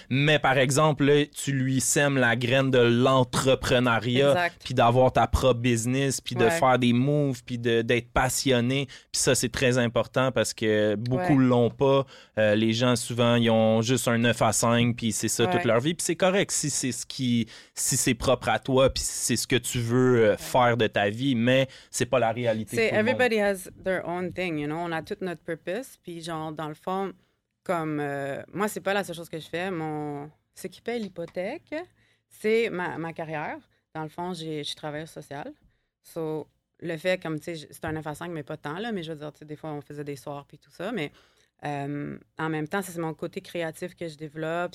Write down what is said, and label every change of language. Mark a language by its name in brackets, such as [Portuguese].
[French] Mais par exemple, là, tu lui sèmes la graine de l'entrepreneuriat, puis d'avoir ta propre business, puis de faire des moves, puis d'être passionné. Puis ça, c'est très important parce que beaucoup ne l'ont pas. Les gens, souvent, ils ont juste un 9 à 5, puis c'est ça toute leur vie. Puis c'est correct si c'est propre à toi, puis si c'est ce que tu veux faire de ta vie, mais c'est pas la réalité. [English] C'est everybody has their own thing, you know. [French] On a tout notre purpose, puis genre, dans le fond, comme moi, c'est pas la seule chose que je fais. Ce qui paye l'hypothèque, c'est ma carrière. Dans le fond, je suis travailleuse sociale. So, le fait, comme tu sais, c'est un 9 à 5, mais pas tant, là. Mais je veux dire, tu sais, des fois, on faisait des soirs puis tout ça. Mais en même temps, c'est mon côté créatif que je développe.